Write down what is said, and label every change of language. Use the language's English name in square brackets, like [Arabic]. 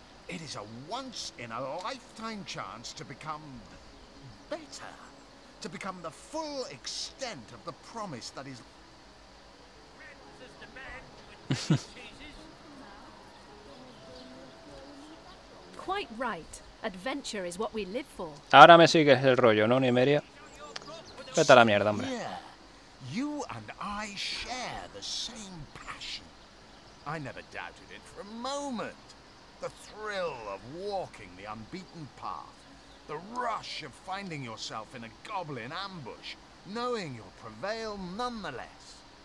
[English] It is a once-in-a-lifetime chance to become better. To become the full extent of the promise that is... Quite right. Adventure is what we live for. [Spanish] Ahora me sigues el rollo, ¿no, Nymeria? Vete a la mierda, hombre. [English] Yeah. You and I share the same passion. I never doubted it for a moment. The thrill of walking the unbeaten path. The rush of finding yourself in a goblin ambush. Knowing you'll prevail nonetheless.